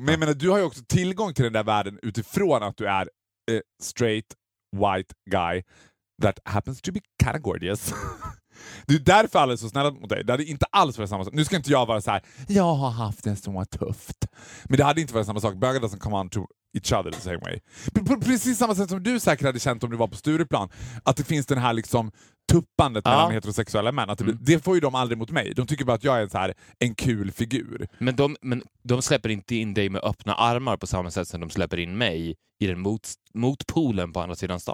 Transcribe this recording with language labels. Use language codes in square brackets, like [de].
[sv] Men jag menar, du har ju också tillgång till den där världen utifrån att du är [en] a straight white guy that happens to be kind of gorgeous. [sv] Det är därför alla är så snälla mot dig. Det hade inte alls varit samma sak. Nu ska inte jag vara så här. Jag har haft det som var tufft. Men det hade inte varit samma sak. [en] Bögar doesn't come on to each other the same way. [sv] Precis samma sätt som du säkert hade känt om du var på Stureplan. Att det finns den här liksom tuppandet mellan heterosexuella män. Att det får ju de aldrig mot mig. De tycker bara att jag är en så här en kul figur. Men de släpper inte in dig med öppna armar på samma sätt som de släpper in mig i den motpolen på andra sidan stan.